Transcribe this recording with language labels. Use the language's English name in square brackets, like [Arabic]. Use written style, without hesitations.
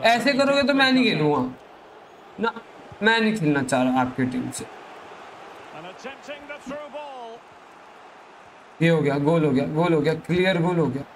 [Hindi] ऐसे करोगे तो मैं नहीं खेलूंगा. ना मैं नहीं खेलना चाह रहा आपके टीम से. [English] And attempting the through ball. [Hindi] ये हो गया, गोल हो गया, क्लियर गोल हो गया.